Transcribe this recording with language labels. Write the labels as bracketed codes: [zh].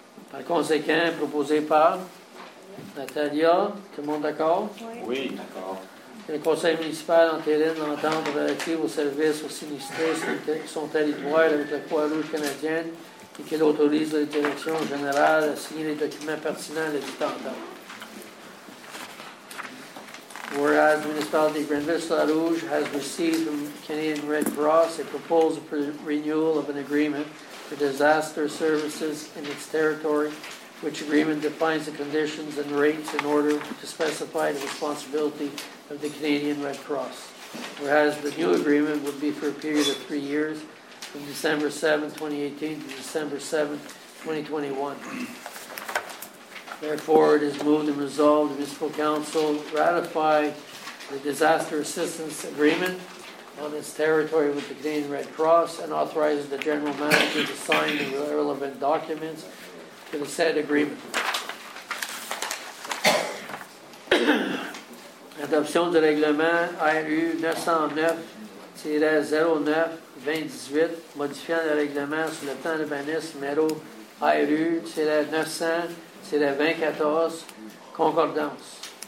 [fr] Par conséquent, proposé par Natalia, tout le monde d'accord? Oui, d'accord. Le conseil municipal entérine l'entente relative aux services aux sinistrés sur son territoire avec la Croix-Rouge canadienne et qu'il autorise la direction générale à signer les documents pertinents à l'entente. [en] Whereas the municipality of Granville-Sainte-Rouge has received from Canadian Red Cross a proposal for renewal of an agreement for disaster services in its territory, which agreement defines the conditions and rates in order to specify the responsibility of the Canadian Red Cross. Whereas the new agreement would be for a period of 3 years, from December 7, 2018 to December 7, 2021. Therefore, it is moved and resolved the Municipal Council ratify the disaster assistance agreement on its territory with the Canadian Red Cross and authorizes the General Manager to sign the relevant documents to the said agreement. [fr] Adoption du règlement RU 909-09-2018, modifiant le règlement sur le plan d'urbanisme numéro RU 900-2014, concordance.